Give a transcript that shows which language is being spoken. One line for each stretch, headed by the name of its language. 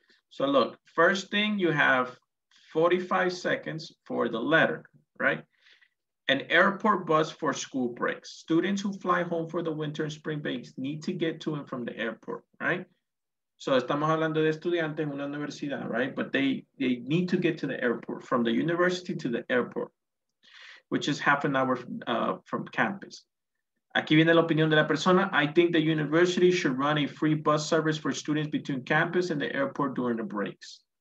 English: So look, first thing, you have 45 seconds for the letter, right? An airport bus for school breaks. Students who fly home for the winter and spring breaks need to get to and from the airport, right?
Spanish: So estamos hablando de estudiantes en una universidad, right?
English: But they need to get to the airport, from the university to the airport, which is half an hour from campus.
Spanish: Aquí viene la opinión de la persona.
English: I think the university should run a free bus service for students between campus and the airport during the breaks.